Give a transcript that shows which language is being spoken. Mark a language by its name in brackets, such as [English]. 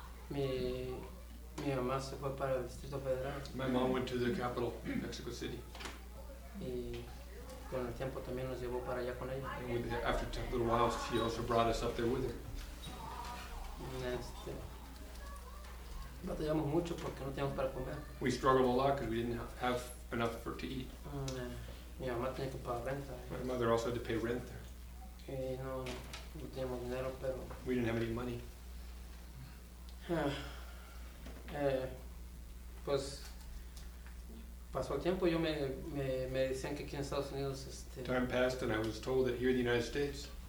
[Spanish] Mi mamá se fue para el Distrito Federal. [English] My mom went to the capital, Mexico City. [Spanish] Y con el tiempo también nos llevó para allá con ella. [English] And with the, after a little while, she also brought us up there with her. [Spanish] Batallamos mucho porque no teníamos para comer. [English] We struggled a lot because we didn't have enough for to eat. [Spanish] Mi mamá tenía que pagar renta. [English] My mother also had to pay rent there. [Spanish] Y no teníamos dinero, pero [English] we didn't have any money. [Spanish] Pues pasó el tiempo, yo me decían que aquí en Estados Unidos [English] time passed and I was told that here in the United States